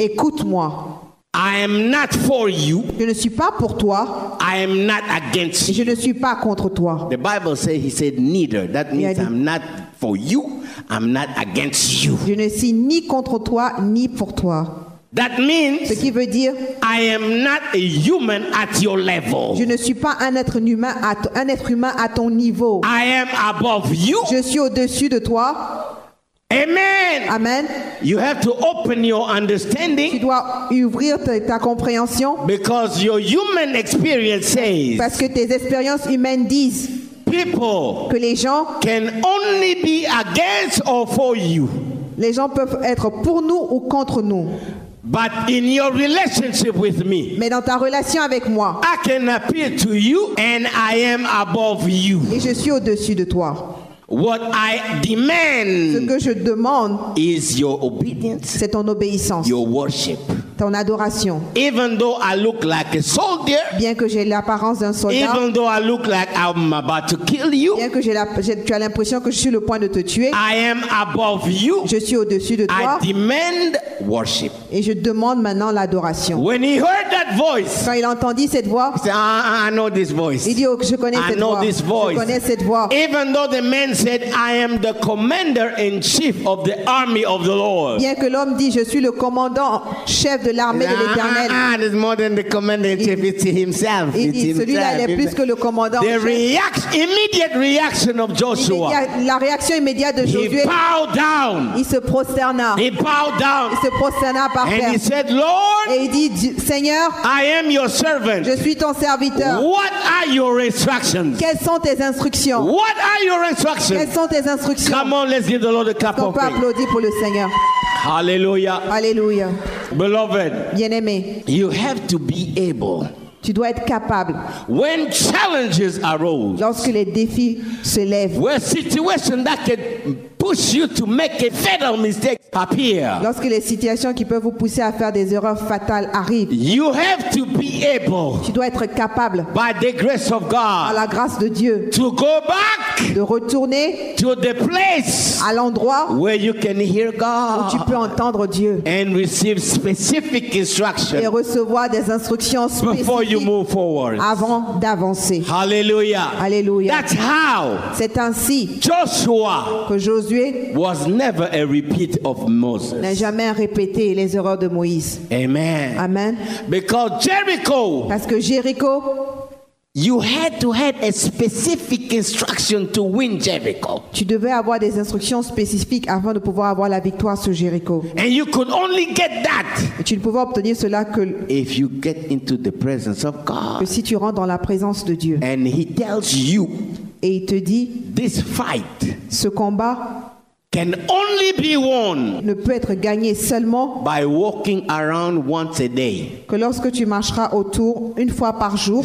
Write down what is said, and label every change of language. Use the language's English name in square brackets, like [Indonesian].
[French] Écoute-moi. [English] I am not for you. [French] Je ne suis pas pour toi. [English] I am not against you. [French] Je ne suis pas contre toi. [English] The Bible says he said neither. That means [French] dit, [English] I'm not for you. I'm not against you. [French] Je ne suis ni contre toi ni pour toi. [English] That means [French] ce qui veut dire, [English] I am not a human at your level. [French] Je ne suis pas un être humain à ton niveau. [English] I am above you. [French] Je suis au-dessus de toi. [English] Amen. [French] Amen. [English] You have to open your understanding. [French] Tu dois ouvrir ta compréhension. [English] Because your human experience says. [French] Parce que tes expériences humaines disent. [English] People. [French] Que les gens. [English] Can only be against or for you. [French] Les gens peuvent être pour nous ou contre nous. [English] But in your relationship with me. [French] Mais dans ta relation avec moi. [English] I can appear to you and I am above you. [French] Et je suis au-dessus de toi. [English] What I demand [French] ce que je demande [English] is your obedience, [French] c'est ton obéissance, [English] your worship, [French] ton adoration. [English] Even though I look like a soldier, [French] bien que j'ai l'apparence d'un soldat, [English] even though I look like I'm about to kill you, [French] bien que tu as l'impression que je suis le point de te tuer, [English] I am above you, [French] je suis au-dessus de toi. [English] I demand worship. [French] Et je demande maintenant l'adoration. [English] When he heard that voice, [French] quand il entendit cette voix, [English] he said, I know this voice. [French] Il dit, oh, je connais [English] I [French] cette [English] know [French] voix. [English] This voice. [French] Je connais cette voix. [English] Even though the man said, I am the commander in chief of the army of the Lord. [French] Bien que l'homme dit, je suis le commandant chef de l'armée de l'Éternel. [English] It's more than the commander in chief. It's himself. [French] Celui-là est plus que le commandant. [English] The reaction, immediate reaction of Joshua. [French] La réaction immédiate de Josué. [English] He bowed down. [French] Il se prosterna. [English] He bowed down. [French] Il se prosterna par terre. [English] And he said, Lord. [French] Et il dit, Seigneur. [English] I am your servant. [French] Je suis ton serviteur. [English] What are your instructions? [French] Quelles sont tes instructions? [English] What are your instructions? [French] Quelles sont tes instructions? [English] Come on, let's give the Lord a clap of praise. [French] On peut applaudir pour le Seigneur. [English] Hallelujah. [French] Hallelujah. [English] Beloved. [French] Bien-aimé. [English] You have to be able. [French] Tu dois être capable. [English] When challenges arose, [French] lorsque les défis se lèvent, [English] when situations that can push you to make a fatal mistake appear, [French] lorsque les situations qui peuvent vous pousser à faire des erreurs fatales arrivent, [English] you have to be able, [French] tu dois être capable, [English] by the grace of God, [French] par la grâce de Dieu, [English] to go back, [French] de retourner, [English] to the place, [French] à l'endroit, [English] where you can hear God, [French] où tu peux entendre Dieu, [English] and receive specific instructions, [French] et recevoir des instructions spécifiques. [English] Before you move forward, [French] avant d'avancer. [English] Hallelujah. [French] Hallelujah. [English] That's how. [French] C'est ainsi. [English] Joshua. [French] Que Josué. [English] Was never a repeat of Moses. [French] N'a jamais répété les erreurs de Moïse. [English] Amen. [French] Amen. [English] Because Jericho. [French] Parce que Jéricho. [English] You had to have a specific instruction to win Jericho. [French] Tu devais avoir des instructions spécifiques avant de pouvoir avoir la victoire sur Jéricho. [English] And you could only get that. [French] Et tu ne pouvais obtenir cela que [English] if you get into the presence of God. [French] Que si tu rentres dans la présence de Dieu. [English] And he tells you. [French] Et il te dit. [English] This fight. [French] Ce combat. [English] Can only be won. [French] Ne peut être gagné seulement. [English] By walking around once a day. [French] Que lorsque tu marcheras autour une fois par jour.